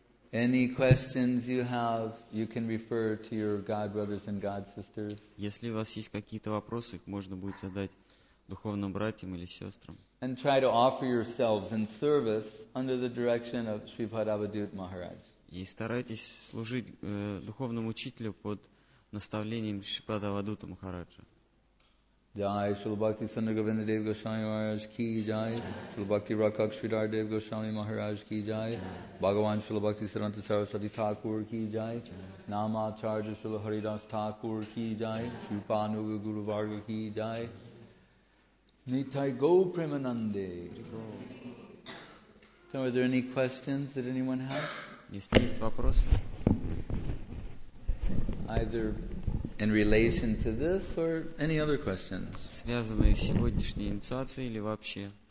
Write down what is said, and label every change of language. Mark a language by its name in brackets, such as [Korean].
[English] Any questions you have, you can refer to your God brothers and God sisters. [Russian] Если у вас есть какие-то вопросы, их можно будет задать духовным братьям или сестрам. [English] And try to offer yourselves in service under the direction of Sri Padavadut Maharaj. [Russian] И старайтесь служить духовному учителю под наставлением Шри Падавадута Махараджа. [English] Jai Shri Bhakti Sundar Govinda Dev Goswami Maharaj Ki Jai. Shri Bhakti Rakak Sridhar Dev Goswami Maharaj Ki Jai. Bhagavan Shri Bhakti Siddhanta Saraswati Thakur Ki Jai. Nama Charja Shri Haridas Thakur Ki Jai. Shri Panuga Guru Varga Ki Jai. Nitai Go Premanande. So are there any questions that anyone has? Yes, please, [Russian] вопросы. [English] Either in relation to this or any other questions? [Russian] Связанные с сегодняшней инициацией или вообще?